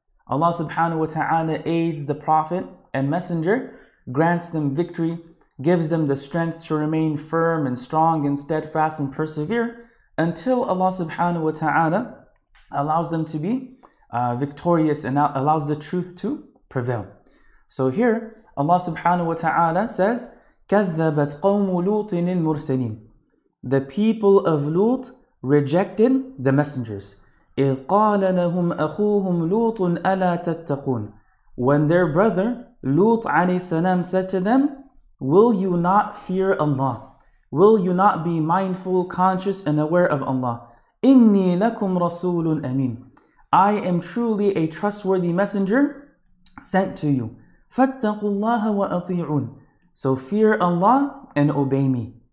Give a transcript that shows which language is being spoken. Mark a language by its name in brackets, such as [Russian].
[English] Allah subhanahu wa ta'ala aids the prophet and messenger, grants them victory, gives them the strength to remain firm and strong and steadfast and persevere, until Allah subhanahu wa ta'ala allows them to be victorious and allows the truth to prevail. So here, Allah subhanahu wa ta'ala says, [Arabic] كَذَّبَتْ قَوْمُ لُوطٍ الْمُرْسَلِينَ [English] The people of Lut rejected the messengers. [Arabic] إِذْ قَالَ لَهُمْ أَخُوهُمْ لُوطٌ أَلَا تَتَّقُونَ [English] When their brother, Lut alayhi salam said to them, "Will you not fear Allah? Will you not be mindful, conscious, and aware of Allah? [Arabic] Inni lakum rasulun amin. [English] I am truly a trustworthy messenger sent to you. [Arabic] Fattaqullaha wa ati'un. [English] So fear Allah and obey me.